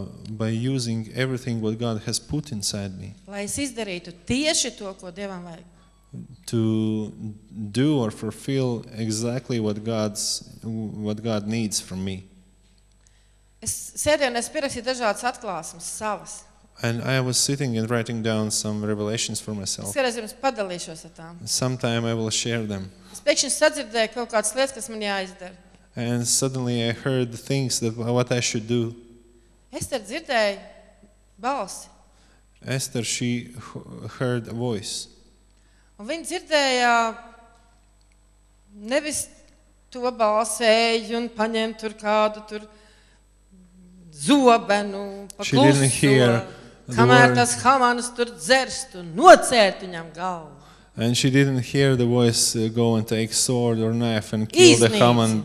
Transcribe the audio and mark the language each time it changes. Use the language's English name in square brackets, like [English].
[English] By using everything what God has put inside me. [Latvian] Lai es izdarītu tieši to, ko Dievam vajag. [English] To do or fulfill exactly what God needs from me. [Latvian] Es sēdēju un es pierakstīju dažādas atklāsmes savas. [English] And I was sitting and writing down some revelations for myself. [Latvian] Es jums padalīšos ar tām. [English] Sometime I will share them. [Latvian] Es pēkšņi sadzirdēju kaut kādas lietas, kas man jāizdara. [English] And suddenly I heard the things that what I should do. [Latvian] Esther dzirdēja balsi. [English] Esther, she heard a voice. [Latvian] Un viņa dzirdēja nevis to balsēju un paņem tur kādu tur zobenu, kamēr tas Hamanas tur dzerst un nocērt viņam galvu. [English] And she didn't hear the voice go and take sword or knife and kill the Haman.